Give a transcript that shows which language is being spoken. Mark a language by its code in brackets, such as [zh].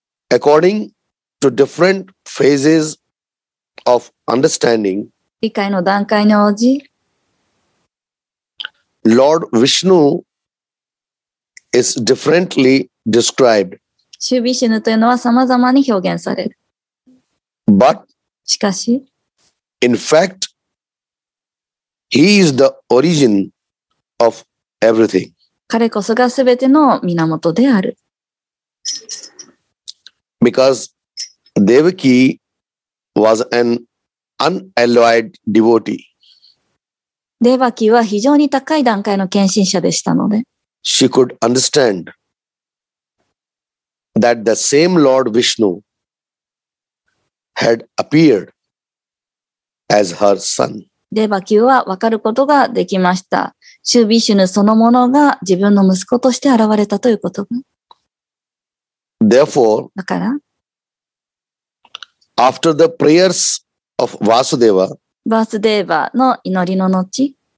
[en] According to different phases of understanding, [ja] 理解の段階に応じ、 [en] Lord Vishnu is differently described. [ja] シュビシュヌというのは様々に表現される。 [en] But, [ja] しかし、 [en] in fact, he is the origin of everything. [ja] 彼こそが全ての源である。 [en] Because Devaki was an unalloyed devotee. [ja] デバキは非常に高い段階の献身者でしたので、 [en] She could understand that the same Lord Vishnu had appeared as her son. [ja] デバキは分かることができました。シュービシュヌそのものが自分の息子として現れたということ。 [en] Therefore, [ja] だから、 [en] After the prayers of Vasudeva, [ja] バスデーバの祈りの後、